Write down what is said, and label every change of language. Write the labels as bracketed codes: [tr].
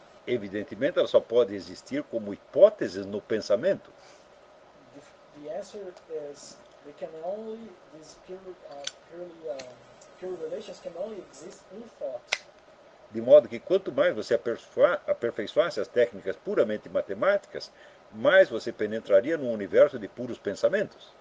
[pt] Evidentemente, ela só pode existir como hipóteses no pensamento. [en] The answer is, they can only these pure relations can only exist in thought. [pt] De modo que quanto mais você aperfeiçoasse as técnicas puramente matemáticas, mais você penetraria num universo de puros pensamentos.